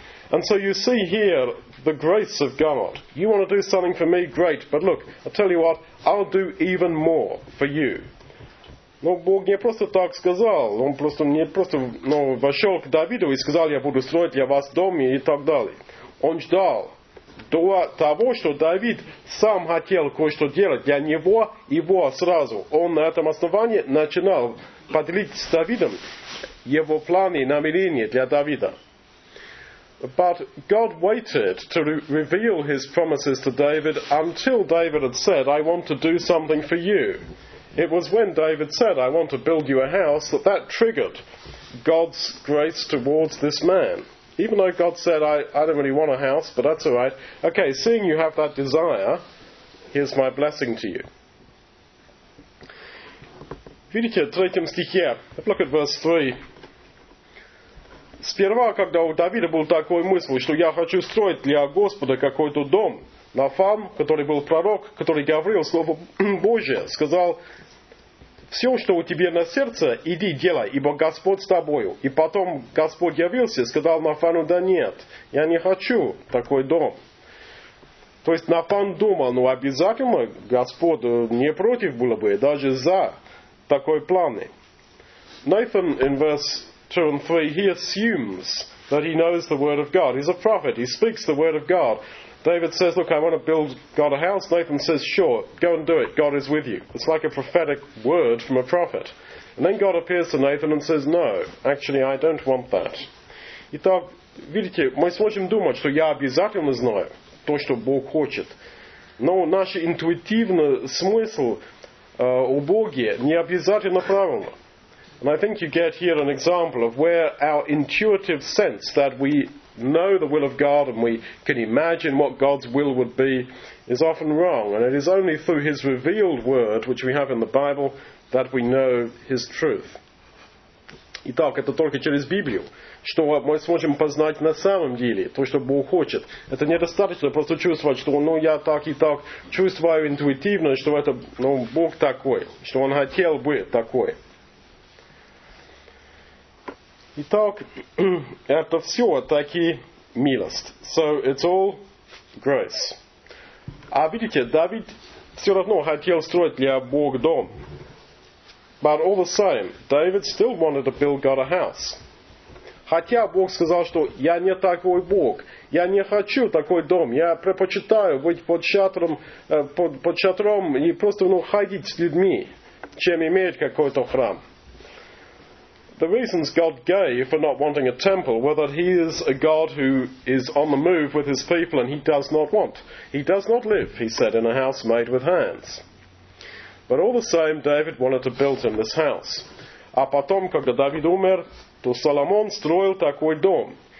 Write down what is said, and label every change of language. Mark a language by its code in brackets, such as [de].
[en] And so you see here the grace of God. You want to do something for me? Great. But look, I'll tell you what, I'll do even more for you. [ru] Но Бог не просто так сказал, он просто не просто, ну, вошел к Давиду и сказал, я буду строить для вас дом и так далее. Он ждал до того, что Давид сам хотел кое-что делать для него, его сразу. Он на этом основании начинал поделиться с Давидом его планы и намерения для Давида. [en] But God waited to reveal his promises to David until David had said, I want to do something for you. It was when David said, I want to build you a house, that triggered God's grace towards this man. Even though God said, I don't really want a house, but that's all right. Okay, seeing you have that desire, here's my blessing to you. [ru] Видите, в третьем стихе, [en] look at verse 3. [ru] Сперва, когда у Давида был такой мысль, что я хочу строить для Господа какой-то дом, Нафан, который был пророк, который говорил Слово Божие, сказал, Все, что у тебя на сердце, иди делай, ибо Господь с тобою. И потом Господь явился и сказал Нафану, да нет, я не хочу такой дом. То есть Нафан думал, ну обязательно Господь не против было бы, даже за такой планы. [en] Nathan in verse 2 and 3, he assumes that he knows the word of God. He's a prophet, he speaks the word of God. David says, look, I want to build God a house. Nathan says, sure, go and do it. God is with you. It's like a prophetic word from a prophet. And then God appears to Nathan and says, no, actually, I don't want that. [ru] Итак, видите, мы сможем думать, что я обязательно знаю то, что Бог хочет. Но наш интуитивный смысл у Бога не обязательно правильно. [en] And I think you get here an example of where our intuitive sense that we know the will of God and we can imagine what God's will would be is often wrong. And it is only through His revealed word, which we have in the Bible, that we know His truth. [ru] Итак, это только через Библию, что мы сможем познать на самом деле то, что Бог хочет. Это недостаточно просто чувствовать, что ну, я так и так чувствую интуитивно, что это ну, Бог такой, что Он хотел бы такой. Итак, это все таки милость. [en] So it's all grace. [ru] А видите, Давид все равно хотел строить для Бога дом. [en] But all the same, David still wanted to build God a house. [ru] Хотя Бог сказал, что я не такой Бог. Я не хочу такой дом. Я предпочитаю быть под шатром и просто ну, ходить с людьми, чем иметь какой-то храм. [en] The reasons God gave for not wanting a temple were that He is a God who is on the move with His people and He does not want. He does not live, He said, in a house made with hands. But all the same, David wanted to build him this house. [ru] А потом, когда Давид умер, то Соломон строил такой дом.